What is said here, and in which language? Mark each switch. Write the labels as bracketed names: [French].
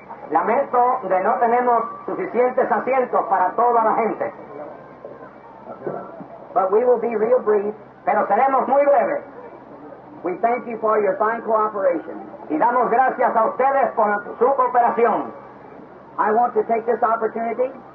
[Spanish] Lamento de no tenemos suficientes asientos para toda la gente. [English] But we will be real brief, [Spanish] pero seremos muy breves. [English] We thank you for your fine cooperation. [Spanish] Y damos gracias a ustedes por su cooperación. [English] I want to take this opportunity.